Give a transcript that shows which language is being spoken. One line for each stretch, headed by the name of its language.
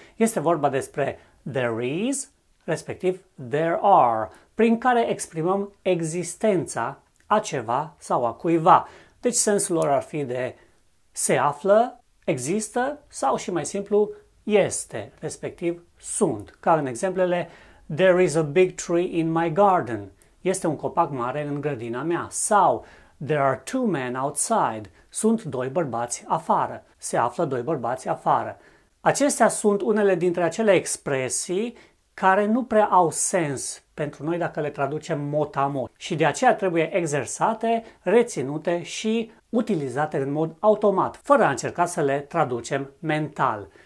Romanian: Este vorba despre there is, respectiv there are, prin care exprimăm existența a ceva sau a cuiva. Deci sensul lor ar fi de se află, există sau și mai simplu este, respectiv sunt. Ca în exemplele,
English: there is a big tree in my garden.
Romanian: Este un copac mare în grădina mea.
English: Sau, there are two men outside.
Romanian: Sunt doi bărbați afară. Se află doi bărbați afară. Acestea sunt unele dintre acele expresii care nu prea au sens pentru noi dacă le traducem mot-a-mot. Și de aceea trebuie exersate, reținute și utilizate în mod automat, fără a încerca să le traducem mental.